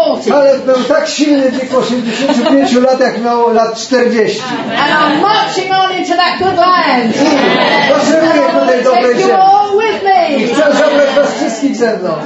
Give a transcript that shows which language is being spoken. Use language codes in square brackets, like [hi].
[pl] Kaleb był tak silny w wieku 85 lat, jak miał lat 40. [en] And I'm marching on into that good land. [pl] Poszerzuję tutaj dobrej ziemi. I chcę zabrać was wszystkich ze mną.